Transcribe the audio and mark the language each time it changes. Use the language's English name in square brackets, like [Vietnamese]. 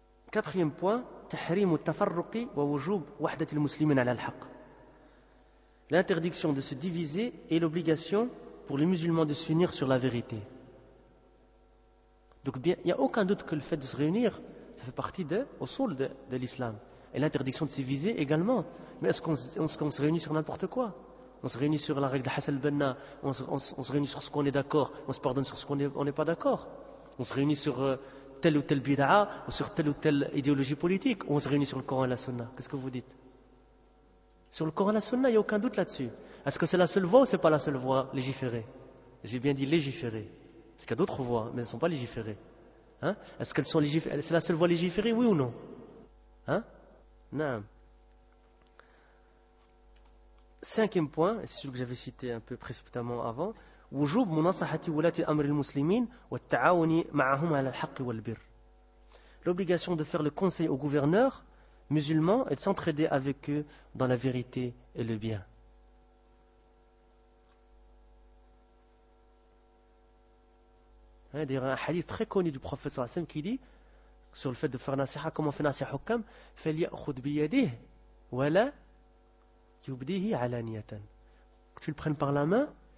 [French] Quatrième point, [Arabic] تحريم التفرق ووجوب وحدة المسلمين على الحق. [French] L'interdiction de se diviser et l'obligation pour les musulmans de s'unir sur la vérité. Donc bien, il n'y a aucun doute que le fait de se réunir, ça fait partie de usul de l'islam. Et l'interdiction de se diviser également. Mais est-ce qu'on se réunit sur n'importe quoi? On se réunit sur la règle de Hassan al-Banna, on se réunit sur ce qu'on est d'accord, on se pardonne sur ce qu'on n'est pas d'accord. On se réunit sur... telle ou telle bid'a, ou sur telle ou telle idéologie politique, on se réunit sur le Coran et la Sunna. Qu'est-ce que vous dites? Sur le Coran et la Sunna, il n'y a aucun doute là-dessus. Est-ce que c'est la seule voie ou c'est pas la seule voie légiférée? J'ai bien dit légiférée. Parce qu'il y a d'autres voies, mais elles ne sont pas légiférées. Hein? Est-ce qu'elles sont légiférées? C'est la seule voie légiférée, oui ou non? Hein? Non. Cinquième point, c'est celui que j'avais cité un peu précipitamment avant. [Arabic] وجوب مناصحة ولاة الأمر المسلمين والتعاون معهم على الحق والبر. [French] L'obligation de faire le conseil aux gouverneurs musulmans et de s'entraider avec eux dans la vérité et le bien. D'ailleurs, un hadith très connu du prophète صلى الله عليه وسلم qui dit sur le fait de faire nasiha, comment fait nasiha hukam, [Arabic] فليأخذ بيده ولا يبديه علانية. [French] Que tu le prennes par la main.